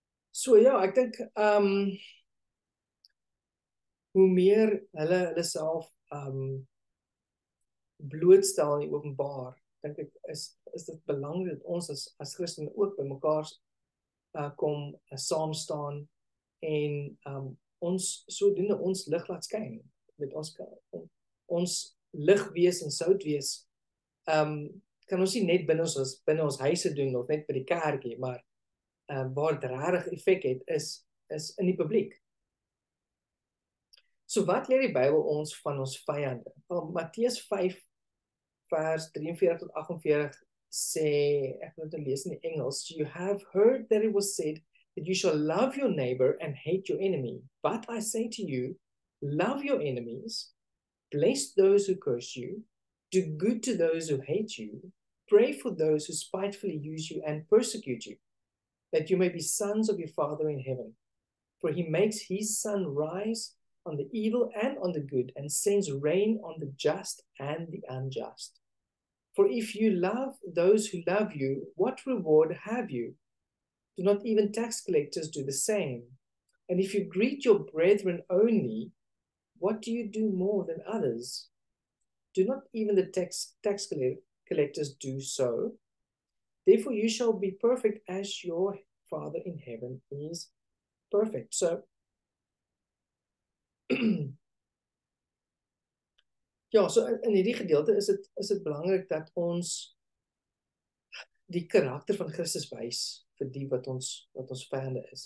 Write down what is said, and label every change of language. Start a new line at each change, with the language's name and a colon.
Afrikaans: So ja, ek dink hoe meer hulle self blootstel in die openbaar, dink ek is dit belangrik dat ons as Christen ook by mekaar kom saam staan en ons sodoende ons lig laat skyn, met ons lig wees en sout wees. Kan ons nie net binne ons huise doen of net by die kerkie, maar waar dit regtig effek het is in die publiek. So wat leer die Bybel ons van ons vyande? Van Matteus 5 vers 43 tot 48 sê, ek moet dit lees in Engels,
English: "You have heard that it was said that you shall love your neighbor and hate your enemy. But I say to you, love your enemies, bless those who curse you, do good to those who hate you, pray for those who spitefully use you and persecute you, that you may be sons of your Father in heaven. For he makes his sun rise on the evil and on the good, and sends rain on the just and the unjust. For if you love those who love you, what reward have you? Do not even tax collectors do the same? And if you greet your brethren only, what do you do more than others? Do not even the tax collectors do so? Therefore you shall be perfect as your Father in heaven is perfect."
Afrikaans: So, ja, so in hierdie gedeelte is het belangrik dat ons die karakter van Christus wys vir die wat ons vyande is.